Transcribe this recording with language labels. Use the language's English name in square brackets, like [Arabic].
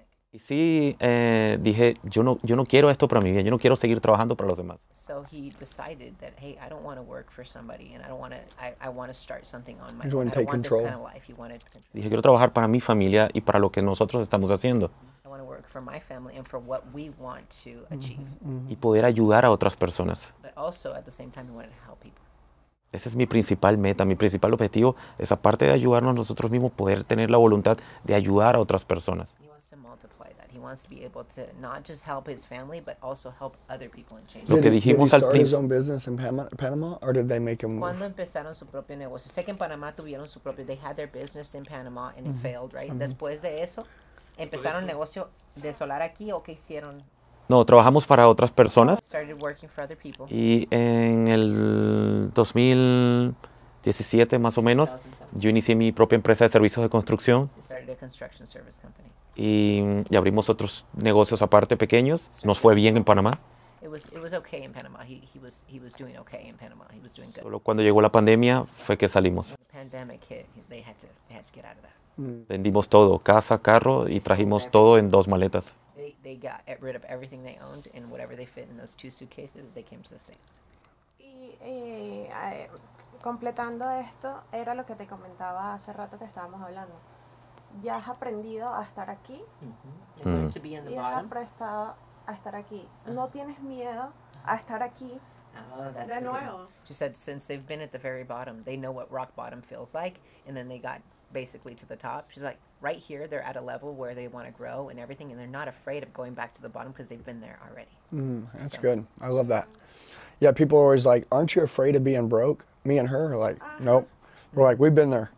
[Spanish] Y sí, dije, yo no quiero esto para mi vida, yo no quiero seguir trabajando para los demás. [English] So he decided that, hey, I don't want to work for somebody and I don't want to, I want to start something on my own. You want to take control. Kind of life. He wanted control. [Spanish] Dije, quiero trabajar para mi familia y para lo que nosotros estamos haciendo. [English] I want to work for my family and for what we want to achieve. Mm-hmm. [Spanish] Y poder ayudar a otras personas. [English] But also, at the same time, he wanted to help people. [Spanish] Esa es mi principal meta, mi principal objetivo, esa parte de ayudarnos nosotros mismos, poder tener la voluntad de ayudar a otras personas. [English] He wants to be able to not just help his family, but also help other people and change. Did he start his own business in Panama, or did they make him move? [Spanish] Cuando empezaron su propio negocio. Sé que en Panamá tuvieron su propio, [English] they had their business in Panama and it failed, right? Mm-hmm. [Spanish] Después de eso, empezaron negocio de solar aquí, ¿o qué hicieron? No, trabajamos para otras personas. [English] Started working for other people. [Spanish] Y en el 2017, más o menos, yo inicié mi propia empresa de servicios de construcción. [English] He started a construction service company. [Spanish] Y abrimos otros negocios aparte pequeños. Nos fue bien en Panamá. [English] It was okay in Panama. He was doing okay in Panama. He was doing good. [Spanish] Solo cuando llegó la pandemia fue que salimos. [English] When the pandemic hit, they had to get out of that. Mm. [Spanish] Vendimos todo, casa, carro, y trajimos todo en dos maletas. [English] They got rid of everything they owned and whatever they fit in those two suitcases, they came to the States. [Spanish] Y completando esto, era lo que te comentaba hace rato que estábamos hablando. Ya has aprendido a estar aquí. Mm-hmm. Mm. Y has aprendido a estar aquí. Uh-huh. No tienes miedo a estar aquí. [English] Oh, that's [Spanish] de nuevo. [English] Good. She said, since they've been at the very bottom, they know what rock bottom feels like. And then they got basically to the top. She's like, right here, they're at a level where they want to grow and everything. And they're not afraid of going back to the bottom because they've been there already. Mm, that's so good. I love that. Yeah, people are always like, aren't you afraid of being broke? Me and her are like, uh-huh. Nope. We're like, we've been there.